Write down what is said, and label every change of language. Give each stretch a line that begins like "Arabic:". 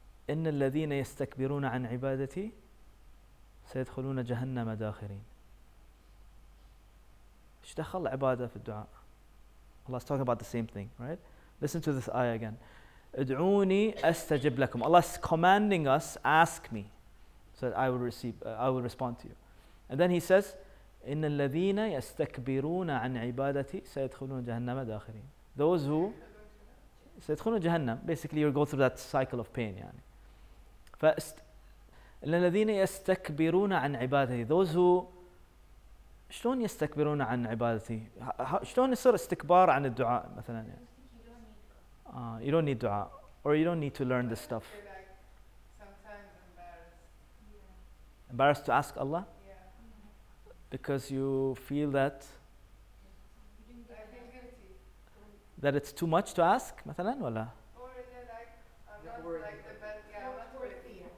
Arabic: إن الذين يستكبرون عن عبادتي سيدخلون جهنم داخرين. إش دخل عبادة في الدعاء?
English: Allah is talking about the same thing, right? Listen to this ayah again.
Arabic: ادعوني استجب لكم.
English: Allah is commanding us, ask me, so that I will respond to you. And then he says,
Arabic: إن الذين يستكبرون عن عبادتي سيدخلون جهنم داخرين.
English: Those who
Arabic: سيدخلون جهنم.
English: Basically, you go through that cycle of pain.
Arabic: يعني. إن الذين يستكبرون عن عبادتي.
English: Those who
Arabic: شلون يستكبرون عن عبادتي؟ شلون يصير استكبار عن الدعاء مثلا؟ يعني.
English: You don't need دعاء. Or you don't need to learn this stuff. Embarrassed to ask Allah? Because you feel that that it's too much to ask,
Arabic: مثلا ولا؟
English: Or is it like not worthy. Like the bad guy, not worthy.